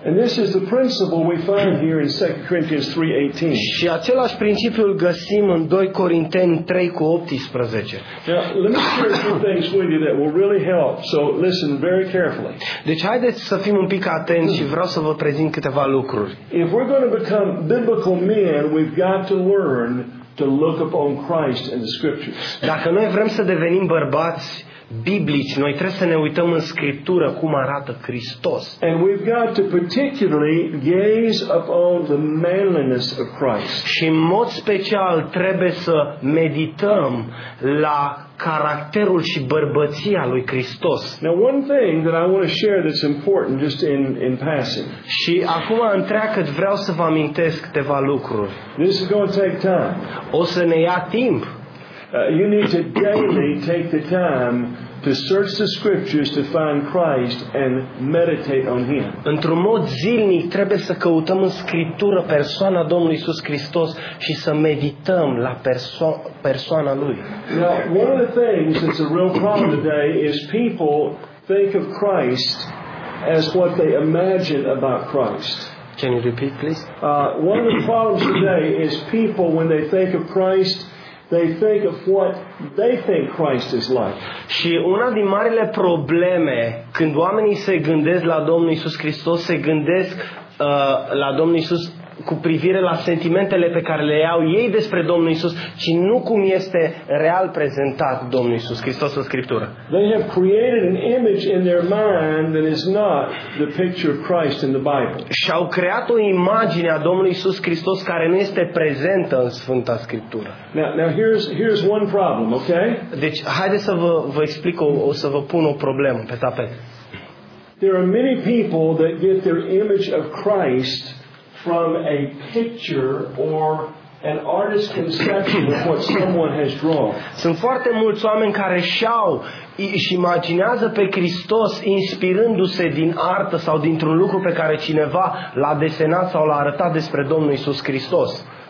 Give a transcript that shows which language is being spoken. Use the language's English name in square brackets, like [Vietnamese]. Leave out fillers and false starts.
[English] And this is the principle we find here in 2 Corinthians 3:18. [Romanian] Și același principiu îl găsim în 2 Corinteni 3:18. [English] Now, let me share some things with you that will really help. So listen very carefully. [Romanian] Deci haideți să fim un pic atenți și vreau să vă prezint câteva lucruri. [English] If we're going to become biblical men, we've got to learn to look upon Christ in the scriptures. [Romanian] Dacă noi vrem să devenim bărbați biblici, noi trebuie să ne uităm în scriptură cum arată Hristos. [English] And we've got to particularly gaze upon the manliness of Christ. [Romanian] Și în mod special trebuie să medităm la caracterul și bărbăția lui Hristos. [English] Now one thing that I want to share that's important just in passing. [Romanian] Și acum întreagăt vreau să vă amintesc câteva lucruri. [English] This is going to take time. [Romanian] O să ne ia timp. [English] You need to daily take the time to search the scriptures to find Christ and meditate on him. [Romanian] Într-un mod zilnic trebuie să căutăm în scriptură persoana Domnului Iisus Hristos și să medităm la persoana lui. [English] Now, one of the things that's a real problem today is people think of Christ as what they imagine about Christ. Can you repeat, please? One of the problems today is people, when they think of Christ, they think of what they think Christ is like. [Romanian] Și una din marile probleme când oamenii se gândesc la Domnul Iisus Hristos, se gândesc la Domnul Iisus cu privire la sentimentele pe care le au ei despre Domnul Iisus, ci nu cum este real prezentat Domnul Iisus Hristos în Scriptură. [English] They have created an image in their mind that is not the picture of Christ in the Bible. [Romanian] Și-au creat o imagine a Domnului Iisus Hristos care nu este prezentă în Sfânta Scriptură. [English] Now here's one problem, okay? [Romanian] Deci, haideți să vă explic, o să vă pun o problemă pe tapet. [English] There are many people that get their image of Christ from a picture or an artist's conception of what someone has drawn. [Romanian] Sunt foarte mulți oameni care și-au și imaginează pe Hristos inspirându-se din artă sau dintr-un lucru pe care cineva l-a desenat sau l-a arătat despre Domnul Iisus Hristos.